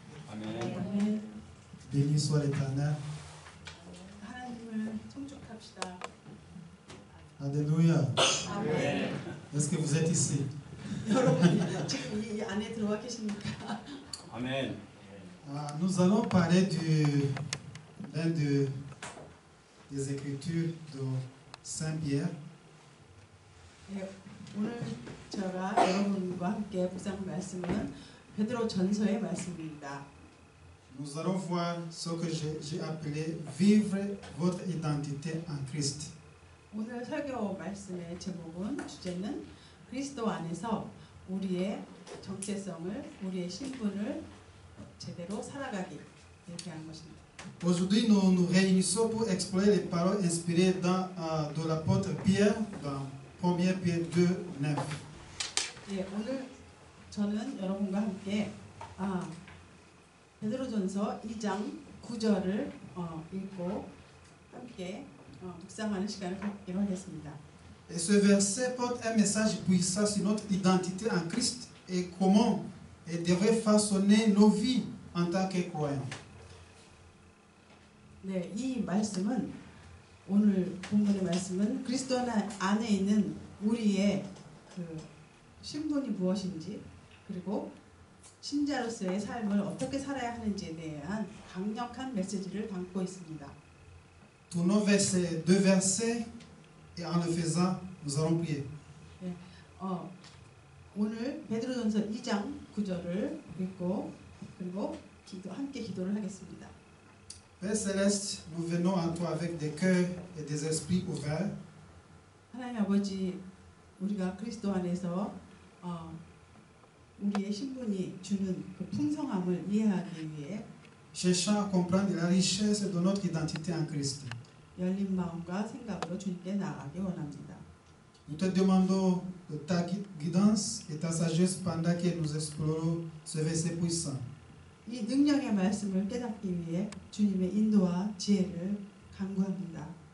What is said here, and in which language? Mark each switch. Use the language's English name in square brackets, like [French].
[Korean] 아멘. [French] Béni soit l'Éternel. [Korean] 하나님을 송축합시다. [French] Alléluia. Amen. Est-ce que vous êtes ici? [Korean] 여러분, 지금 이 안에 들어와 계십니까? [French] Amen. Nous allons parler du l'un de des écritures de Saint Pierre. [Korean] 오늘 제가 여러분과 함께 묵상 말씀은 베드로 전서의 말씀입니다. [French] Nous allons voir ce que j'ai appelé vivre votre identité en Christ. [Korean] 오늘 설교 말씀의 제목은 주제는 그리스도 안에서 우리의 정체성을 우리의 신분을 제대로 살아가기 이렇게 한 것입니다. [French] Aujourd'hui nous réunissons pour explorer les paroles inspirées dans de l'apôtre Pierre dans 1 Pierre 2, 9. [Korean] 예, 오늘 저는 여러분과 함께 베드로전서 2장 9절을 읽고 함께 묵상하는 시간을 갖기로 했습니다. [French] Et ce verset porte un message puissant sur notre identité en Christ et comment elle devrait façonner nos vies en tant que croyants. [Korean] 네, 이 말씀은 오늘 본문의 말씀은 그리스도 안에 있는 우리의 그 신분이 무엇인지 그리고 신자로서의 삶을 어떻게 살아야 하는지에 대한 강력한 메시지를 담고 있습니다. [French] Tous nos versets, deux versets, et en le faisant, nous allons prier. [Korean] 오늘 베드로전서 2장 9절을 읽고 그리고 함께 기도를 하겠습니다. [French] Père céleste, nous venons en toi avec des cœurs et des esprits ouverts. [Korean] 하나님 아버지, 우리가 그리스도 안에서 우리의 신분이 주는 그 풍성함을 이해하기 위해 [French] cherchant à comprendre la richesse de notre identité en Christ. [Korean] 열린 마음과 생각으로 주님께 나아가기 원합니다. [French] Nous te demandons de ta guidance et ta sagesse pendant que nous explorons ce verset puissant. [Korean] 이 능력의 말씀을 깨닫기 위해 주님의 인도와 지혜를 간구합니다.